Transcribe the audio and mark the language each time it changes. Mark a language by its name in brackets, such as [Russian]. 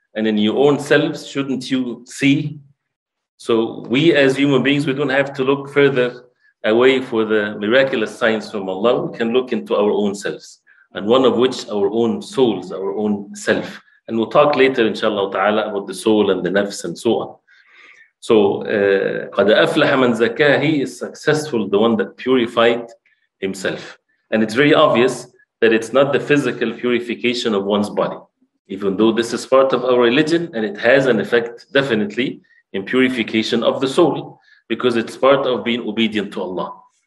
[English] And in your own selves, shouldn't you see? So we as human beings, we don't have to look further away for the miraculous signs from Allah. We can look into our own selves. And one of which, our own souls, our own self. And we'll talk later, inshallah ta'ala, about the soul and the nafs and so on. [Arabic] So, قَدْ أَفْلَحَ مَنْ زَكَاهِ. [English] He is successful, the one that purified himself. And it's very obvious that it's not the physical purification of one's body. Even though this is part of our religion, and it has an effect definitely in purification of the soul, because it's part of being obedient to Allah.